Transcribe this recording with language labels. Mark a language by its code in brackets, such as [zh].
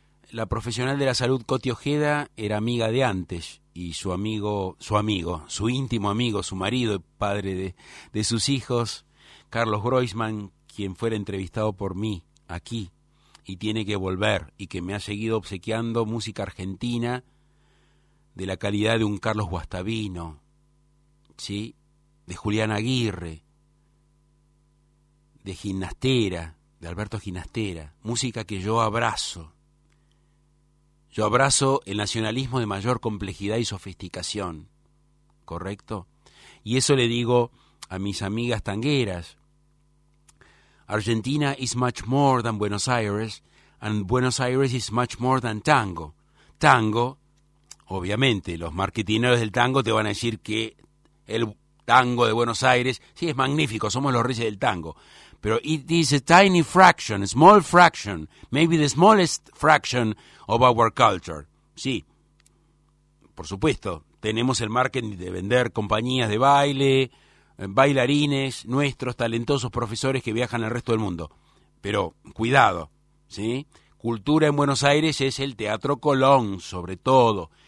[es] La profesional de la salud Coti Ojeda era amiga de antes y su íntimo amigo, su marido, padre de sus hijos, Carlos Groisman, quien fuera entrevistado por mí aquí y tiene que volver y que me ha seguido obsequiando música argentina de la calidad de un Carlos Guastavino, ¿sí?, de Julián Aguirre, de Ginastera, de Alberto Ginastera, música que yo abrazo. Yo abrazo el nacionalismo de mayor complejidad y sofisticación, ¿correcto? Y eso le digo a mis amigas tangueras. [en] Argentina is much more than Buenos Aires, and Buenos Aires is much more than tango. [es] Tango, obviamente, los marketineros del tango te van a decir que el tango de Buenos Aires, sí, es magnífico, somos los reyes del tango. [en] Pero it is a tiny fraction, a small fraction, maybe the smallest fraction of our culture. [es] Sí, por supuesto, tenemos el marketing de vender compañías de baile, bailarines, nuestros talentosos profesores que viajan al resto del mundo. Pero cuidado, ¿sí? Cultura en Buenos Aires es el Teatro Colón, sobre todo.